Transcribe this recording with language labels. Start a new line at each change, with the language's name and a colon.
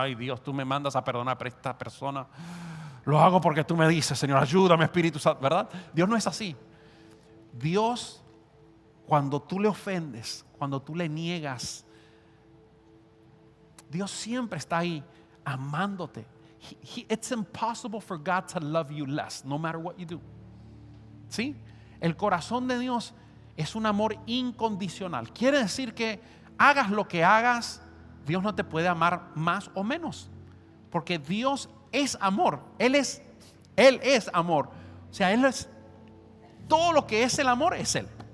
Spanish: Ay, Dios, tú me mandas a perdonar a esta persona. Lo hago porque tú me dices, Señor, ayúdame, Espíritu Santo. ¿Verdad? Dios no es así. Dios, cuando tú le ofendes, cuando tú le niegas, Dios siempre está ahí amándote.
English: It's impossible for God to love you less, no matter what you do.
Spanish: ¿Sí? El corazón de Dios es un amor incondicional. Quiere decir que hagas lo que hagas, Dios no te puede amar más o menos. Porque Dios es amor. Él es amor. O sea, Él es todo lo que es el amor, es Él.